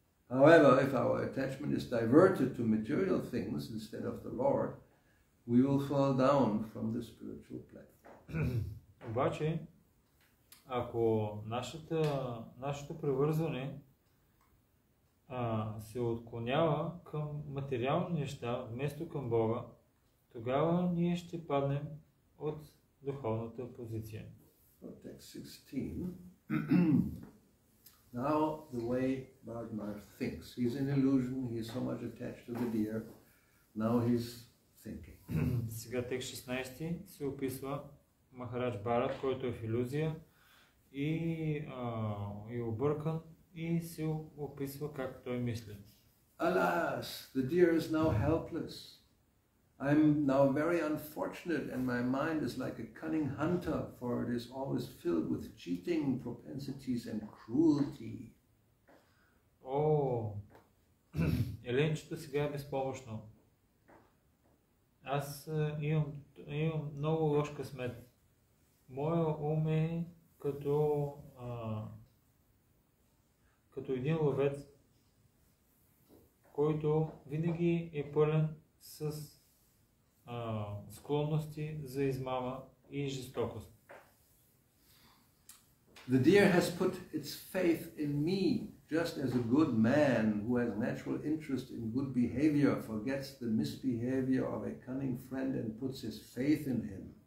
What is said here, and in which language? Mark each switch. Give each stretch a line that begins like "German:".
English: However, if our attachment is diverted to material things instead of the Lord, we will fall down from the spiritual platform.
Bulgarian: Обаче, ако нашето привързване се отклонява към материални неща вместо към Бога, тогава ние ще паднем от духовната позиция.
English: Text 16. Now the way Bhagmar thinks. He's in illusion, he's so much attached to the deer. Now he's thinking.
Bulgarian: Сега текст 16 се описва Махарадж Барат, който е в иллюзия и е объркан и се описва как той мисли.
English: Alas, the deer is now helpless. I'm now very unfortunate and my mind is like a cunning hunter, for it is always filled with cheating propensities and cruelty.
Bulgarian: Oh, еленчето сега е безпомощно. Аз имам много лош късмет. Моя ум е като един ловец, който винаги е пълен с склонности за измама и жестокост.
English: The deer has put its faith in me, just as a good man who has natural interest in good behavior forgets the misbehavior of a cunning friend and puts his faith in him.